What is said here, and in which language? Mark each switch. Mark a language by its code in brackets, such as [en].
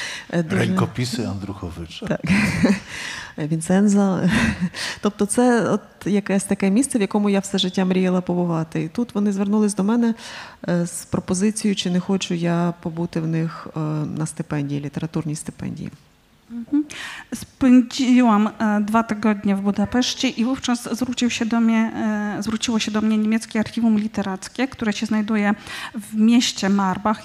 [pl] Rękopisy Andruchowicza. Tak. Vincenzo. [uk] Тобто це от якесь таке місце, в якому я все життя мріяла побувати. І тут вони звернулись до мене з пропозицією, чи не хочу я побути в них на стипендії, літературній стипендії. [pl] Spędziłam dwa tygodnie w Budapeszcie i wówczas zwróciło się do mnie niemieckie archiwum literackie, które się znajduje w mieście Marbach.